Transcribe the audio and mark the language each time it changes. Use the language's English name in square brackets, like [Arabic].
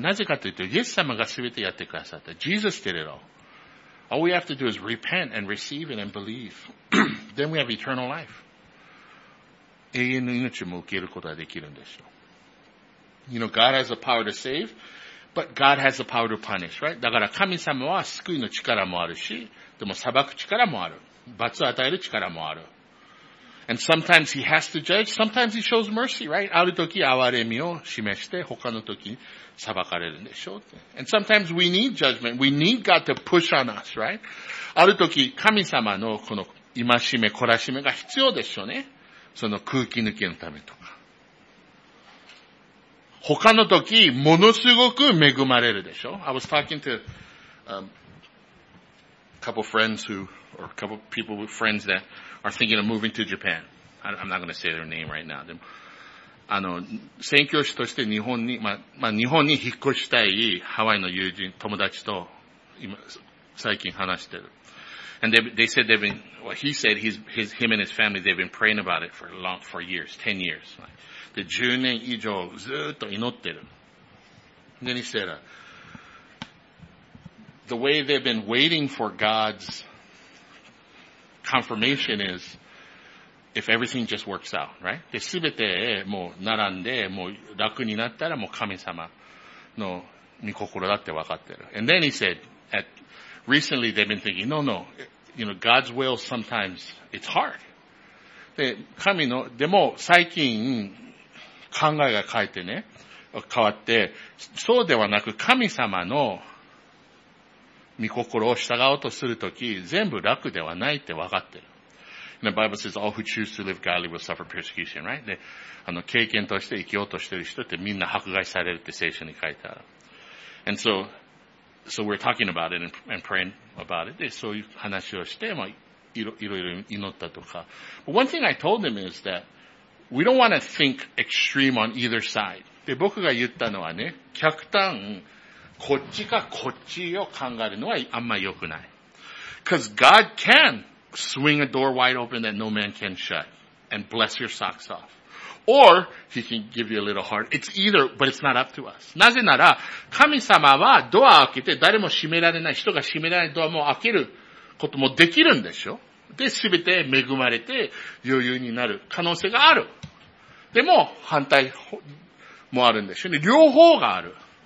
[Japanese] なぜかというと、イエス様が全てやってくださった。 [English] Jesus did it all. All we have to do is repent and receive it and believe. Then we have eternal life. [Japanese] 永遠の命も受けることができるんですよ。 [English] You know, God has the power to save, but God has the power to punish, right? [Japanese] だから神様は救いの力もあるし、でも裁く力もある。罰を与える力もある。 [English] And sometimes he has to judge, sometimes he shows mercy, right? [Japanese] ある時憐れみを示して、他の時に裁かれるんでしょう。 [English] And sometimes we need judgment, we need God to push on us, right? [Japanese] ある時神様のこの戒め、懲らしめが必要でしょうね。その空気抜きのためとか。他の時、ものすごく恵まれるでしょ。 [English] I was talking to, a couple people with friends that are thinking of moving to Japan. I'm not going to say their name right now. [Japanese] でも、宣教師として日本に、日本に引っ越したいハワイの友人、友達と、今、最近話してる。 [English] And they said they've been, well, he said his, him and his family, they've been praying about it for years, 10 years. [Japanese] で、10年以上ずっと祈ってる。で、にしたら、 [English] the way they've been waiting for God's confirmation is if everything just works out, right? [Japanese] で、すべてもう並んで、もう楽になったらもう神様の御心だって分かってる。 [English] And then he said, recently they've been thinking, no, no, you know, God's will sometimes, it's hard. [Japanese] で、神の、でも最近考えが変えてね、変わって、そうではなく神様の御心を従おうとするとき、全部楽ではないって分かってる。 [English] And、the Bible says, all who choose to live godly will suffer persecution, right? [Japanese] で、あの、経験として生きようとしてる人ってみんな迫害されるって聖書に書いてある。 [English] And so we're talking about it and praying about it. [Japanese] で、そういう話をして、まあ、いろいろ祈ったとか。 [English] But one thing I told them is that we don't want to think extreme on either side. [Japanese] で、僕が言ったのはね、極端、こっちかこっちを考えるのはあんま良くない。 [English] Because God can swing a door wide open that no man can shut and bless your socks off. Or he can give you a little heart. It's either, but it's not up to us. [Japanese] なぜなら、神様はドアを開けて誰も閉められない、人が閉められないドアも開けることもできるんでしょ。で、すべて恵まれて余裕になる可能性がある。でも、反対もあるんでしょ。両方がある。